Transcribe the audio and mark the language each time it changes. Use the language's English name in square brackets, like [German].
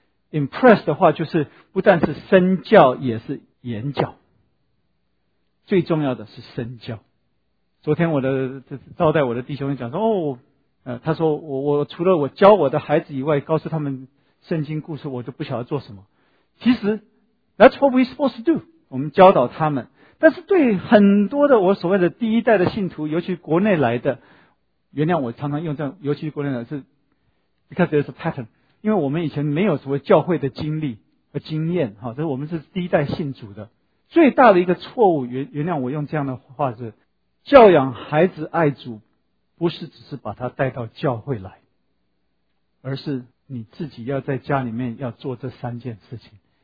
[Chinese] impress 的话就是不但是身教也是言教，最重要的是身教。昨天我的招待我的弟兄讲说他说我除了我教我的孩子以外，告诉他们圣经故事，我就不晓得做什么。其实 [English] That's what we're supposed to do， [Chinese] 我们教导他们。但是对很多的我所谓的第一代的信徒，尤其国内来的，原谅我常常用这样，尤其国内来的是 [English] because there's a pattern， [Chinese] 因为我们以前没有所谓教会的经历和经验，这是我们是第一代信主的。最大的一个错误，原谅我用这样的话，是教养孩子爱主，不是只是把他带到教会来，而是你自己要在家里面要做这三件事情。